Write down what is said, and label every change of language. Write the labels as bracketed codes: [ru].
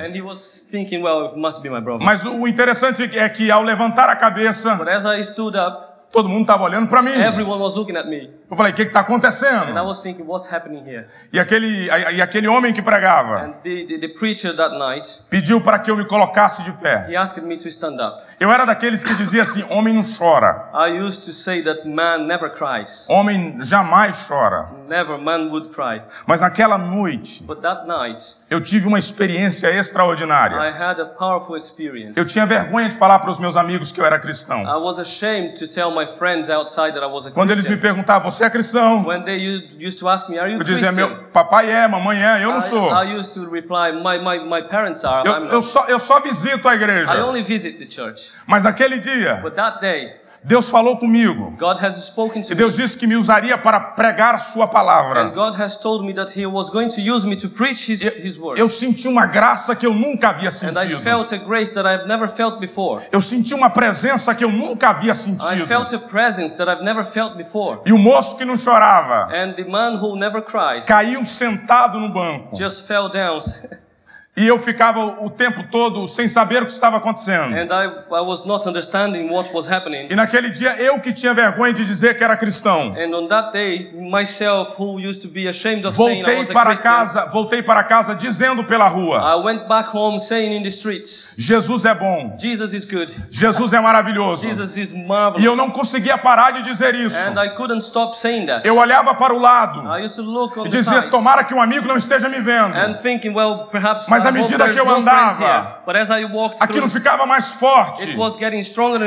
[en] And he was thinking, well, it must be my brother. [pt] Mas o interessante é que ao levantar a cabeça, [en] but as I stood up, [pt] todo mundo estava olhando para mim. [en] Everyone was looking at me. [pt] Eu falei, o que está acontecendo? [en] And I was thinking, what's happening here? [pt] E aquele homem que pregava, [en] and the preacher that night, [pt] pediu para que eu me colocasse de pé. [en] He asked me to stand up. [pt] Eu era daqueles que dizia assim, homem não chora. [en] I used to say that man never cries. [pt] Homem jamais chora. [en] Never, man would cry. [pt] Mas naquela noite, [en] but that night, [pt] eu tive uma experiência extraordinária. [en] I had a powerful experience. [pt] Eu tinha vergonha de falar para os meus amigos que eu era cristão. [en] I was ashamed to tell my my friends outside that I was a [pt] Quando [en] Christian. [pt] Eles me perguntavam, você é cristão? [en] When they used to ask me, are you [pt] Eu dizia, meu papai é, mamãe é, eu não sou. [en] I used to reply, my parents are. [pt] Eu só visito a igreja. [en] I only visit the church. [pt] Mas naquele dia, [en] But that day, [pt] Deus falou comigo. [en] God has spoken to [pt] e Deus [en] me. [pt] Disse que me usaria para pregar sua palavra. [en] And God has told me that he was going to use me to preach his word. [pt] Eu senti uma graça que eu nunca havia sentido. [en] And I felt a grace that I've never felt before. [pt] Eu senti uma presença que eu nunca havia sentido. [en] I felt a presence that I've never felt before. [pt] E o moço que não chorava. [en] And the man who never cries. [pt] Caiu sentado no banco. [en] Just fell down. [pt] E eu ficava o tempo todo sem saber o que estava acontecendo. [en] And I was not understanding what was happening. [pt] E naquele dia eu que tinha vergonha de dizer que era cristão. [en] And on that day, myself who used to be ashamed of [pt] voltei [en] saying I was [pt] para [en] a Christian, [pt] casa, voltei para casa dizendo pela rua. [en] I went back home saying in the streets. [pt] Jesus é bom. [en] Jesus is good. [pt] Jesus é maravilhoso. [en] Jesus is marvelous. [pt] E eu não conseguia parar de dizer isso. [en] And I couldn't stop saying that. [pt] Eu olhava para o lado. [en] I used to look on [pt] e dizia, [en] the side. [pt] Tomara que um amigo não esteja me vendo. [en] And thinking, well, perhaps [pt] Mas à medida que eu andava, aquilo ficava mais forte. [en] It was getting stronger and